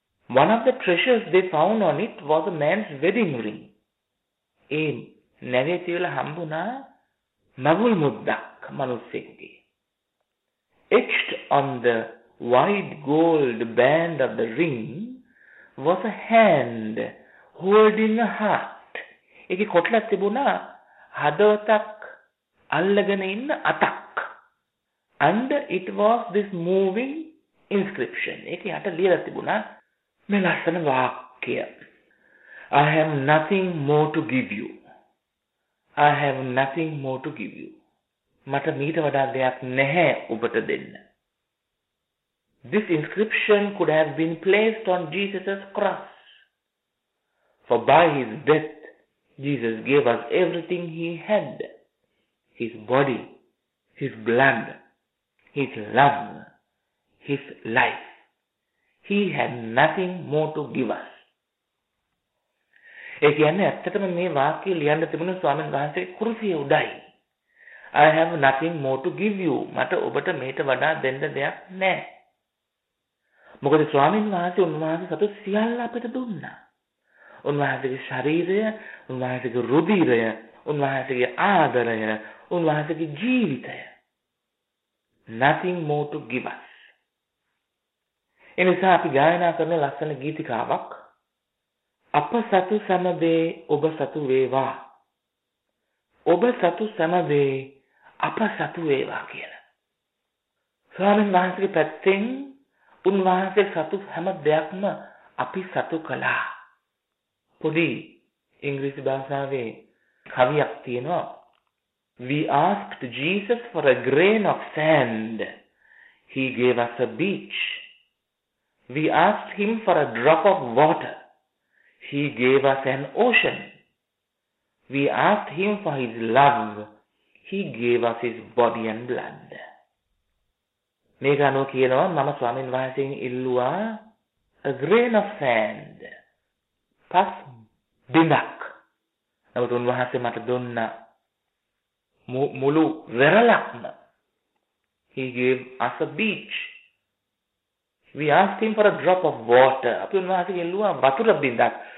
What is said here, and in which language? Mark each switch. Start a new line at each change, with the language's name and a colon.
English: One of the treasures they found on it was a man's wedding ring.
Sinhala: ඒ නැවේ තියලා හම්බුණා මගුල් මුද්දක් මිනිස්සෙක්ගේ.
English: Etched on the white gold band of the ring was a hand holding a heart.
Sinhala: ඒකේ කොටලක් තිබුණා හදවතක් අල්ලගෙන ඉන්න අතක්.
English: And it was this moving inscription.
Sinhala: ඒකේ යට ලියලා තිබුණා මේ ලස්සන වාක්‍ය.
English: I have nothing more to give you. I have nothing more to give you.
Sinhala: මට මීට වඩා දෙයක් නැහැ ඔබට දෙන්න.
English: This inscription could have been placed on Jesus' cross. For by his death, Jesus gave us everything he had. His body, his blood, his love, his life. He had nothing more to give us.
Sinhala: ඒ කියන්නේ ඇත්තටම මේ වාක්‍ය ලියන්න තිබුණ ස්වාමීන් වහන්සේ කුරුසිය උඩයි.
English: I have nothing more to give you.
Sinhala: මට ඔබට මේට වඩා දෙන්න දෙයක් නැහැ. මොකද ස්වාමීන් වහන්සේ උන්වහන්සේ සතු සියල්ල අපිට දුන්නා. උන්වහන්සේගේ ශරීරය, උන්වහන්සේගේ රුධිරය, උන්වහන්සේගේ ආදරය, උන්වහන්සේගේ ජීවිතය.
English: Nothing more to give us.
Sinhala: එනිසා අපි ගායනා කරන ලස්සන ගීතිකාවක් අප සතු සමදේ ඔබ සතු වේවා. ඔබ සතු සමදේ අප සතු වේවා කියන. ස්වාමීන් වහන්සේගේ පැත්තෙන් උන්වහන්සේ සතු හැම දෙයක්ම අපි සතු කළා. පොඩි ඉංග්‍රීසි භාෂාවේ කවියක් තියෙනවා.
English: We asked Jesus for a grain of sand. He gave us a beach. We asked him for a drop of water. He gave us an ocean. We asked him for his love. He gave us his body and blood.
Sinhala: මේ ගානෝ කියනවා මම ස්වාමීන් වහන්සේගෙන් ඉල්ලුවා
English: a grain of sand.
Sinhala: පස් බිඳක්. නමුත් උන්වහන්සේ මට දුන්නා මුළු වෙරළක්ම.
English: He gave us a beach. We asked him for a drop of water.
Sinhala: අපි උන්වහන්සේගෙන් ඉල්ලුවා වතුර බිඳක්.